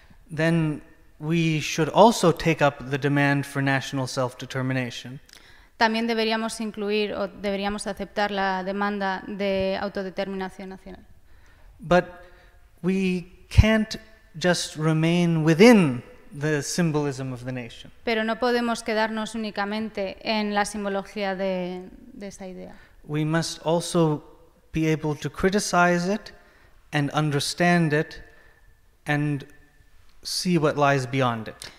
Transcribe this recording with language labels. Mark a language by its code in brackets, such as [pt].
[en] then we should also take up the demand for national self-determination. [es] También deberíamos incluir o deberíamos aceptar la demanda de autodeterminación nacional. [en] But we can't just remain within the symbolism of the nation. [es] Pero no podemos quedarnos únicamente en la simbología de esa idea. [en] We must also be able to criticize it and understand it and see what lies beyond it.